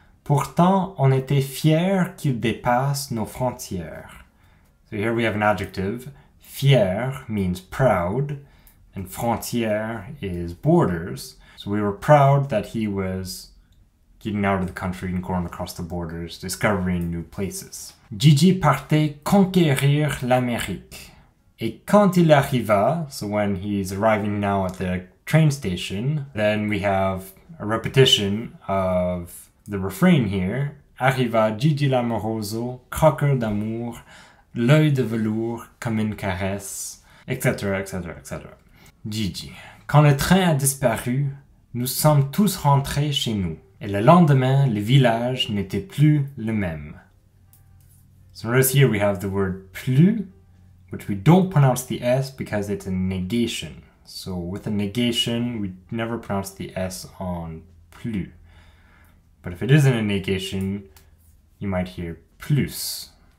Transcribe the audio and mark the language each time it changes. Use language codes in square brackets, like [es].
[fr] Pourtant, on était fiers qu'il dépasse nos frontières. [en] So here we have an adjective. Fier means proud, and frontière is borders. So we were proud that he was getting out of the country and going across the borders, discovering new places. [fr] Gigi partait conquérir l'Amérique. Et quand il arriva, [en] so when he's arriving now at the train station, then we have a repetition of the refrain here. [fr] Arriva Gigi l'Amoroso, croqueur d'amour, l'œil de velours comme une caresse, etc., etc., etc. Gigi. Quand le train a disparu, nous sommes tous rentrés chez nous. Et le lendemain, le village n'était plus le même. [en] So notice here we have the word plus, which we don't pronounce the S because it's a negation. So with a negation, we never pronounce the S on plus. But if it isn't a negation, you might hear plus.